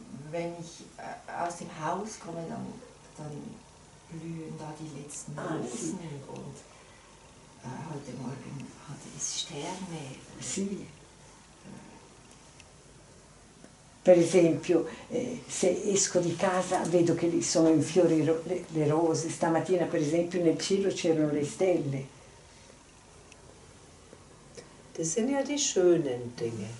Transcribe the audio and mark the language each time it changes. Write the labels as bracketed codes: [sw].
[de] Wenn ich aus dem Haus komme, dann blühen da die letzten Rosen. [it] Ah, sì. [de] Und heute Morgen hatte es Sterne. [it] Sì. Per esempio, se esco di casa vedo che lì sono in fiori le rose. Stamattina, per esempio, nel cielo c'erano le stelle. [de] Das sind ja die schönen Dinge.